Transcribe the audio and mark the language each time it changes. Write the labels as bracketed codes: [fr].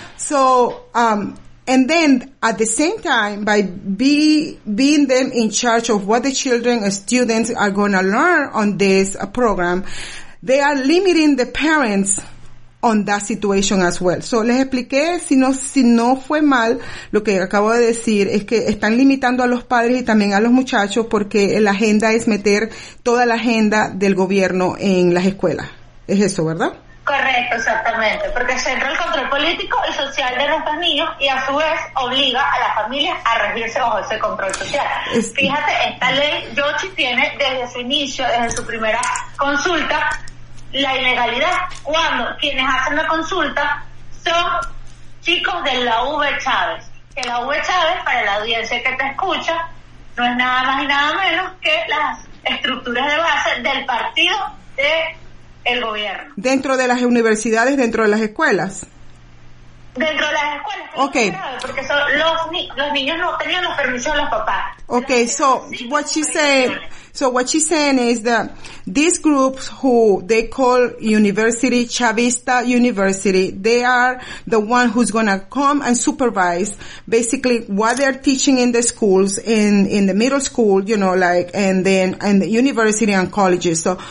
[en] So and then at the same time by being them in charge of what the children and students are going to learn on this program, they are limiting the parents on that situation as well. [es] So les expliqué, si no fue mal, lo que acabo de decir es que están limitando a los padres y también a los muchachos porque la agenda es meter toda la agenda del gobierno en las escuelas. Es eso, ¿verdad? Correcto. Correcto, exactamente. Porque centra el control político y social de nuestros niños y a su vez obliga a las familias a regirse bajo ese control social. Fíjate, esta ley, Yochi, tiene desde su inicio, desde su primera consulta, la ilegalidad. Cuando quienes hacen la consulta son chicos de la V. Chávez. Que la V. Chávez, para la audiencia que te escucha, no es nada más y nada menos que las estructuras de base del partido de el gobierno. ¿Dentro de las universidades, dentro de las escuelas? Dentro de las escuelas. Ok. Porque los niños no tenían los permisos de los papás. [en] Ok, what she's saying is that these groups who they call university, Chavista University, they are the one who's gonna come and supervise basically what they're teaching in the schools, in the middle school, you know, like, and then in the university and colleges.